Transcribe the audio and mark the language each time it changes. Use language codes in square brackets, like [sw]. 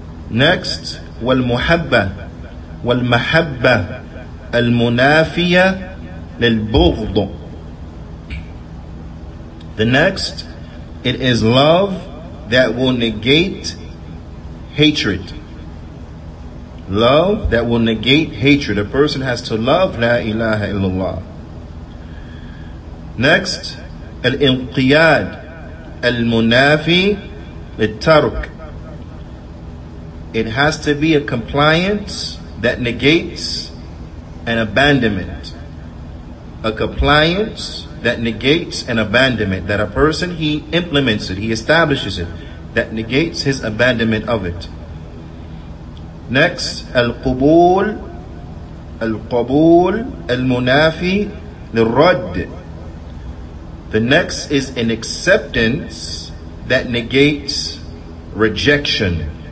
[en] Next, [ar] والمحبة والمحبة المنافية للبغض. [en] The next, it is love that will negate hatred. Love that will negate hatred. A person has to love la ilaha illallah. Next, [ar] الانقياد المنافي للترك. [en] It has to be a compliance that negates an abandonment. A compliance that negates an abandonment. That a person, he implements it, he establishes it, that negates his abandonment of it. Next, [ar] القبول القبول المنافي للرد. [en] The next is an acceptance that negates rejection.